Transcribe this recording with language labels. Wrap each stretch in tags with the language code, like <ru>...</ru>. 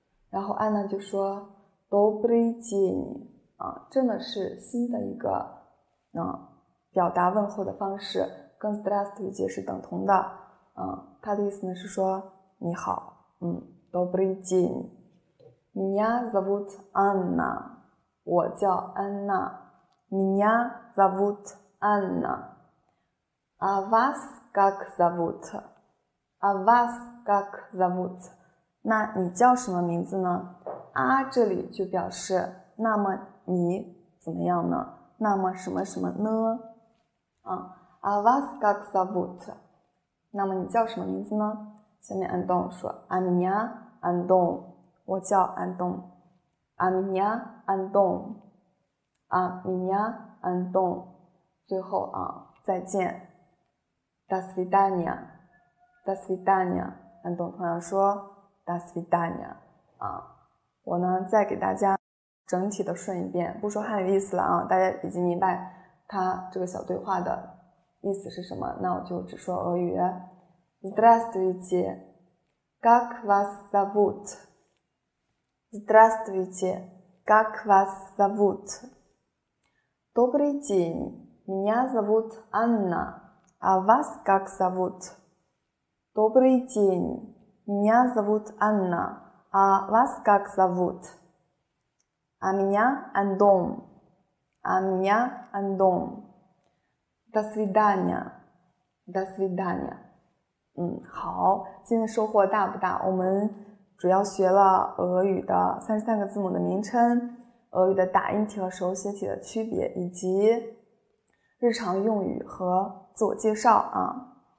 <zh>然后安娜就说</zh> <ru>Добрый день。</ru> <zh>这呢是新的一个表达问候的方式，跟</zh> <ru>Здравствуйте</ru> <zh>是等同的。它的意思呢是说你好，</zh> <ru>Добрый день。 Меня зовут Анна，</ru> <zh>我叫安娜。</zh> <ru>Меня зовут Анна。 А вас как зовут？А вас как зовут？</ru> <zh>那你叫什么名字呢？这里就表示那么。你怎么样呢？那么什么什么呢？啊，</zh> <ru>вас как зовут？</ru> <zh>那么你叫什么名字呢？下面安东说，</zh> <ru>а меня Антон，</ru> <zh>我叫安东。</zh> <ru>а меня Антон，а меня Антон。</ru> <zh>最后再见，</zh> <ru>до свидания，до свидания。</ru> <zh>安东同样说，</zh> <ru>до свидания。</ru> <zh>我呢再给大家。整体的顺一遍，不说汉语意思了大家已经明白他这个小对话的意思是什么。那我就只说俄语。</zh> <ru>Здравствуйте, как вас зовут? Здравствуйте, как вас зовут? Добрый день, меня зовут Анна, а вас как зовут? Добрый день, меня зовут Анна, а вас как зовут? А меня Антон. А меня Антон. До свидания. До свидания.</ru> <zh>好，今天收获大不大？我们主要学了俄语的33个字母的名称、俄语的打印体和手写体的区别，以及日常用语和自我介绍啊。</zh>